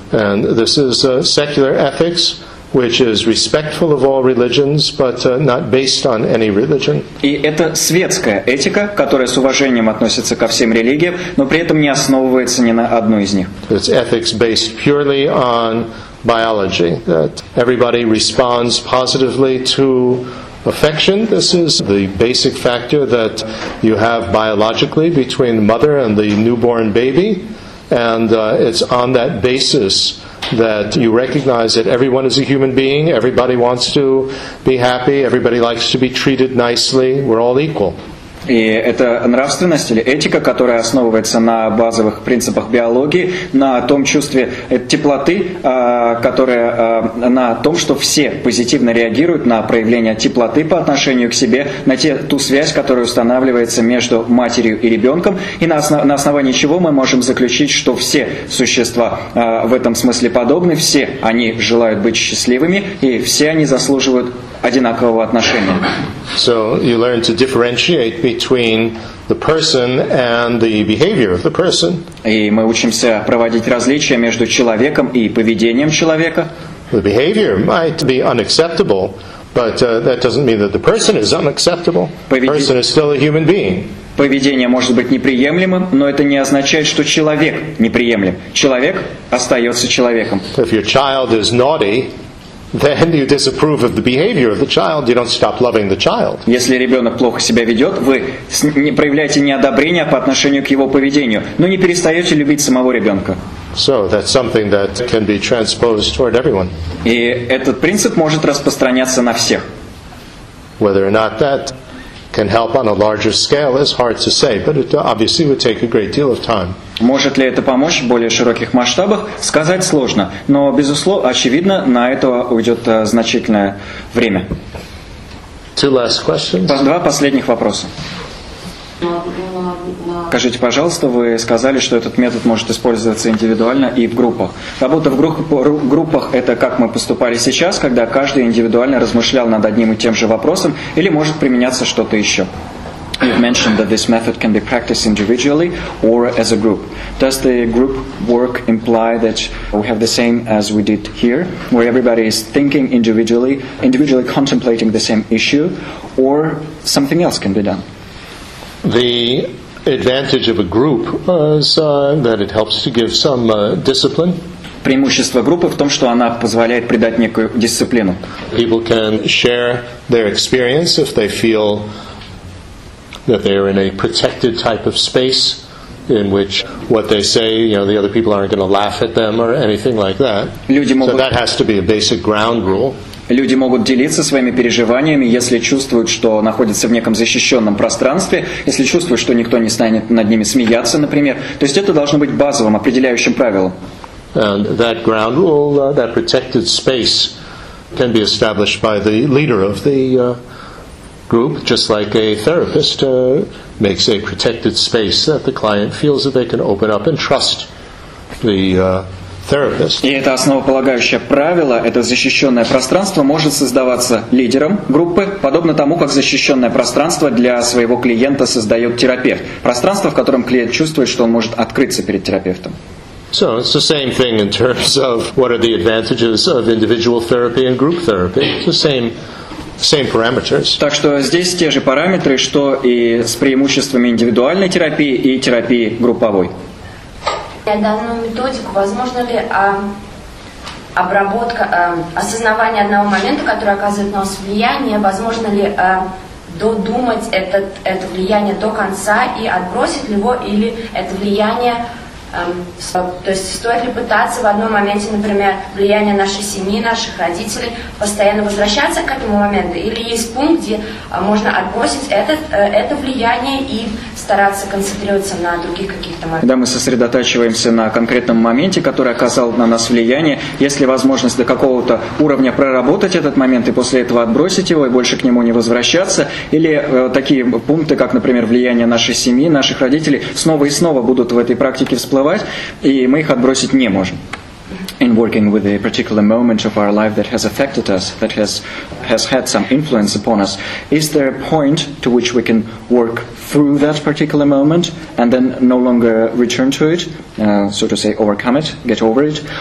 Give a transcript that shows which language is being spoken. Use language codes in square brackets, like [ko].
[en] And this is secular ethics, which is respectful of all religions, but not based on any religion. [ru] И это светская этика, которая с уважением относится ко всем религиям, но при этом не основывается ни на одной из них. [en] It's ethics based purely on biology, that everybody responds positively to affection. This is the basic factor that you have biologically between the mother and the newborn baby, and it's on that basis that you recognize that everyone is a human being, everybody wants to be happy, everybody likes to be treated nicely, we're all equal. [ru] И это нравственность или этика, которая основывается на базовых принципах биологии, на том чувстве теплоты, которое, на том, что все позитивно реагируют на проявление теплоты по отношению к себе, на ту связь, которая устанавливается между матерью и ребенком, и на основании чего мы можем заключить, что все существа в этом смысле подобны, все они желают быть счастливыми, и все они заслуживают одинакового отношения. [en] So you learn to differentiate between the person and the behavior of the person. [ru] И мы учимся проводить различия между человеком и поведением человека. [en] The behavior might be unacceptable, but that doesn't mean that the person is unacceptable. The person is still a human being. [ru] Поведение может быть неприемлемым, но это не означает, что человек неприемлем. Человек остается человеком. [en] If your child is naughty, then you disapprove of the behavior of the child, you don't stop loving the child. [ru] Если ребенок плохо себя ведет, вы не проявляете неодобрения по отношению к его поведению, но не перестаете любить самого ребенка. [en] So that's something that can be transposed toward everyone. [ru] И этот принцип может распространяться на всех. [en] Whether or not that can help on a larger scale is hard to say, but it obviously would take a great deal of time. [ru] Может ли это помочь в более широких масштабах? Сказать сложно, но безусловно, очевидно, на это уйдет значительное время. [en] Two last questions. [ru] Два последних вопроса. Скажите, пожалуйста, вы сказали, что этот метод может использоваться индивидуально и в группах. Работа в группах – это как мы поступали сейчас, когда каждый индивидуально размышлял над одним и тем же вопросом, или может применяться что-то еще? [en] you've mentioned that this method can be practiced individually or as a group. Does the group work imply that we have the same as we did here, where everybody is thinking individually, individually contemplating the same issue, or something else can be done? The advantage of a group is that it helps to give some discipline. [ru] Преимущество группы в том, что она позволяет придать некую дисциплину. [en] People can share their experience if they feel that they are in a protected type of space in which what they say, you know, the other people aren't going to laugh at them or anything like that. So that has to be a basic ground rule. [ru] Люди могут делиться своими переживаниями, если чувствуют, что находятся в неком защищенном пространстве, если чувствуют, что никто не станет над ними смеяться, например. То есть это должно быть базовым, определяющим правилом. [en] And that ground rule, that protected space, can be established by the leader of the group, just like a therapist makes a protected space that the client feels that they can open up and trust the therapist. [ru] И это основополагающее правило, это защищенное пространство может создаваться лидером группы, подобно тому, как защищенное пространство для своего клиента создает терапевт. Пространство, в котором клиент чувствует, что он может открыться перед терапевтом. [en] So it's the same thing in terms of what are the advantages of individual therapy and group therapy. It's the same parameters. [ru] Так что здесь те же параметры, что и с преимуществами индивидуальной терапии и терапии групповой. Я данную методику, возможно ли обработка, осознавание одного момента, который оказывает на нас влияние, возможно ли додумать это влияние до конца и отбросить его, или это влияние то есть стоит ли пытаться в одном моменте, например, влияние нашей семьи, наших родителей, постоянно возвращаться к этому моменту? Или есть пункт, где можно отбросить это влияние и стараться концентрироваться на других каких-то моментах? Когда мы сосредотачиваемся на конкретном моменте, который оказал на нас влияние, есть ли возможность до какого-то уровня проработать этот момент и после этого отбросить его и больше к нему не возвращаться? Или такие пункты, как, например, влияние нашей семьи, наших родителей, снова и снова будут в этой практике всплывать? И мы их отбросить не можем. [en] In working with a particular moment of our life that has affected us, that has had some influence upon us, is there a point to which we can work through that particular moment and then no longer return to it, so to say, overcome it, get over it?